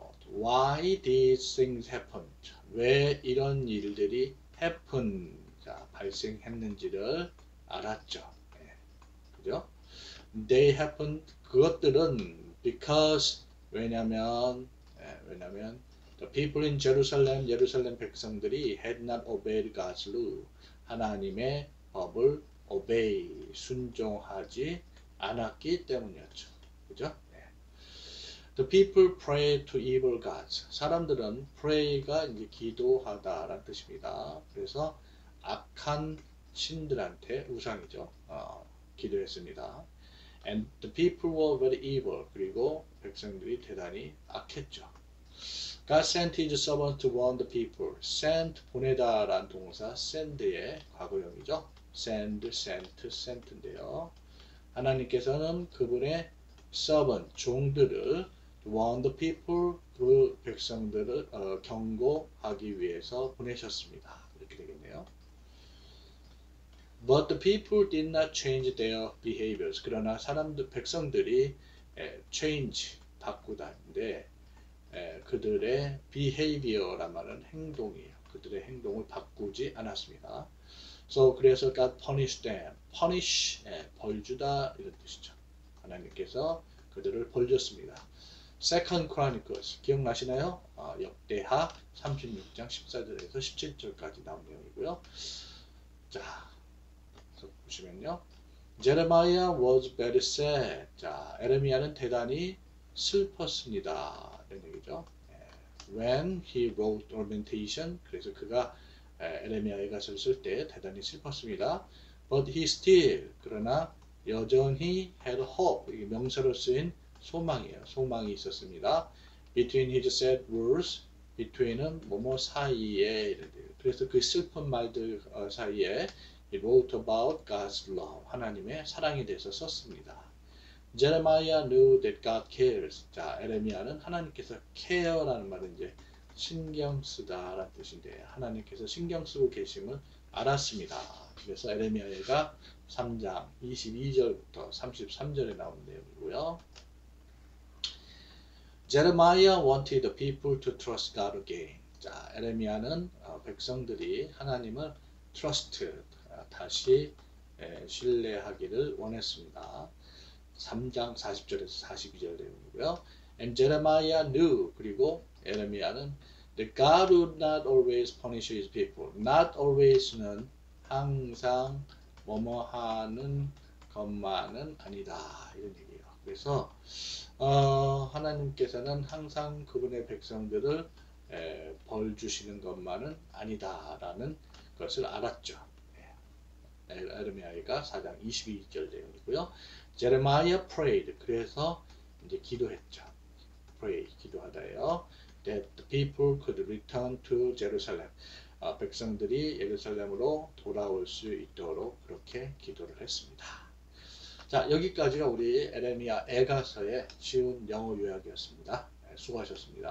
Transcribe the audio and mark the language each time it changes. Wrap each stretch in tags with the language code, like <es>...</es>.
<en>Why these things happen?</en> <ko>왜 이런 일들이 happen? 자, 발생했는지를 알았죠.</ko> <en>그죠? They happened.</en> <ko>그것들은 because 왜냐면 왜냐면</ko> <en>the people in Jerusalem,</en> <ko>예루살렘 백성들이</ko> <en>had not obeyed God's law,</en> <ko>하나님의 법을 obey 순종하지 않았기 때문이었죠. 그죠?</ko> <en>The people pray to evil gods.</en> <ko>사람들은 pray가 이제 기도하다라는 뜻입니다. 그래서 악한 신들한테 우상이죠. 기도했습니다.</ko> <en>And the people were very evil.</en> <ko>그리고 백성들이 대단히 악했죠.</ko> <en>God sent his servant to warn the people.</en> <ko>Sent 보내다라는 동사 send의 과거형이죠. Send, sent, sent인데요. 하나님께서는 그분의 servant 종들을</ko> <en>warn the people</en> <ko>그 백성들을 경고하기 위해서 보내셨습니다. 이렇게 되겠네요.</ko> <en>But the people did not change their behaviors.</en> <ko>그러나 사람들, 백성들이 change 바꾸다는데 그들의 behavior란 말은 행동이에요. 그들의 행동을 바꾸지 않았습니다.</ko> <en>So 그래서 God punished them.</en> <ko>Punish 벌 주다 이런 뜻이죠. 하나님께서 그들을 벌 줬습니다. Second Chronicles 기억나시나요? 역대하 36장 14절에서 17절까지 나온 내용이고요.</ko> <en>자, 보시면요. Jeremiah was very sad.</en> <ko>자, 에레미야는 대단히 슬펐습니다. 이런 얘기죠.</ko> <en>When he wrote Lamentation,</en> <ko>그래서 그가 에레미야에 가서 쓸때 대단히 슬펐습니다.</ko> <en>But he still,</en> <ko>그러나 여전히</ko> <en>had hope.</en> <ko>이게 명사로 쓰인 소망이에요. 소망이 있었습니다.</ko> <en>Between his sad words,</en> <ko>between은 뭐뭐 사이에 이런데요. 그래서 그 슬픈 말들 사이에</ko> <en>he wrote about God's love,</en> <ko>하나님의 사랑에 대해서 썼습니다.</ko> <en>Jeremiah knew that God cares.</en> <ko>자, 에레미야는 하나님께서 care라는 말은 이제 신경 쓰다라는 뜻인데 하나님께서 신경 쓰고 계심을 알았습니다. 그래서 에레미야가 3장 22절부터 33절에 나온 내용이고요.</ko> <en>Jeremiah wanted the people to trust God again.</en> <ko>자, 에레미야는 백성들이 하나님을 trust 다시 신뢰하기를 원했습니다. 3장 40절에서 42절 내용이고요.</ko> <en>And Jeremiah knew,</en> <ko>그리고 에레미야는</ko> <en>that God would not always punish his people.</en> <ko>Not always는 항상 뭐뭐 하는 것만은 아니다. 이런 얘기예요. 그래서 하나님께서는 항상 그분의 백성들을 벌 주시는 것만은 아니다라는 것을 알았죠. 에르미야가 4장 22절 내용이고요.</ko> <en>Jeremiah prayed.</en> <ko>그래서 이제 기도했죠. Pray 기도하다예요.</ko> <en>That the people could return to Jerusalem.</en> <ko>백성들이 예루살렘으로 돌아올 수 있도록 그렇게 기도를 했습니다. 자, 여기까지가 우리 에레미야 애가서의 쉬운 영어 요약이었습니다. 수고하셨습니다.</ko>